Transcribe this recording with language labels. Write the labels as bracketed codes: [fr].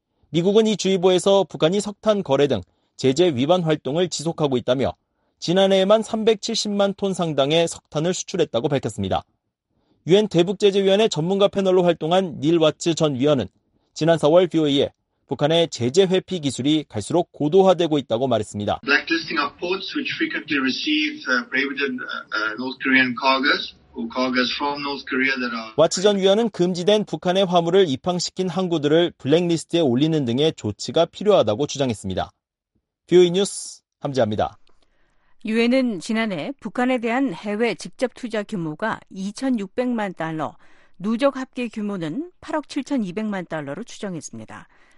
[ko] 미국은 이 주의보에서 북한이 석탄 거래 등 제재 위반 활동을 지속하고 있다며 지난해에만 370만 톤 상당의 석탄을 수출했다고 밝혔습니다. 유엔 대북제재위원회 전문가 패널로 활동한 닐 와츠 전 위원은 지난 4월 BOA에 북한의 제재 회피 기술이 갈수록 고도화되고 있다고 말했습니다. [en] Blacklisting of ports which frequently receive prohibited North Korean cargoes or cargoes from North Korea that are [ko] 와츠 전 위원은 금지된 북한의 화물을 입항시킨 항구들을 블랙리스트에 올리는 등의 조치가 필요하다고 주장했습니다. BOA 뉴스 함지아입니다. 유엔은 지난해 북한에 대한 해외 직접 투자 규모가 2,600만 달러, 누적 합계 규모는 8억 7,200만 달러로 추정했습니다.